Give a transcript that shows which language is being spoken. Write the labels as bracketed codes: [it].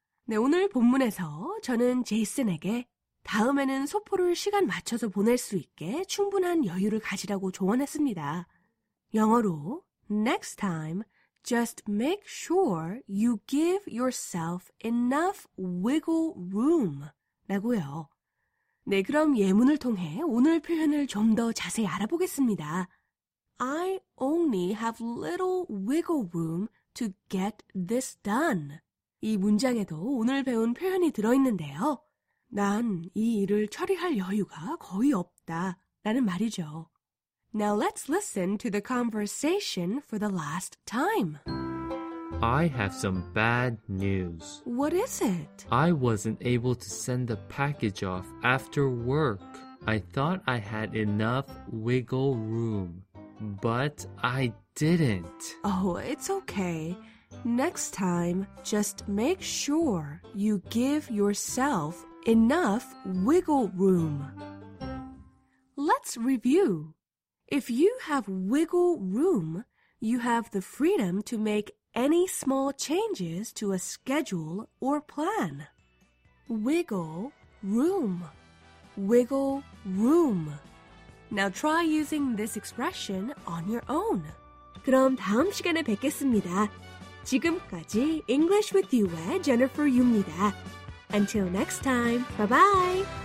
[ko] 네, 오늘 본문에서 저는 제이슨에게 다음에는 소포를 시간 맞춰서 보낼 수 있게 충분한 여유를 가지라고 조언했습니다. 영어로 [en] Next time, just make sure you give yourself enough wiggle room [ko] 라고요. 네, 그럼 예문을 통해 오늘 표현을 좀 더 자세히 알아보겠습니다. [en] I only have little wiggle room to get this done. [ko] 이 문장에도 오늘 배운 표현이 들어있는데요. 난 이 일을 처리할 여유가 거의 없다 라는 말이죠. [en] Now let's listen to the conversation for the last time. I have some bad news. What is it? I wasn't able to send the package off after work. I thought I had enough wiggle room. But I didn't. Oh, it's okay. Next time, just make sure you give yourself enough wiggle room. Let's review. If you have wiggle room, you have the freedom to make any small changes to a schedule or plan. Wiggle room. Wiggle room. Now try using this expression on your own. [ko] 그럼 다음 시간에 뵙겠습니다. 지금까지 English with You의 Jennifer Yu입니다. [en] Until next time, bye-bye!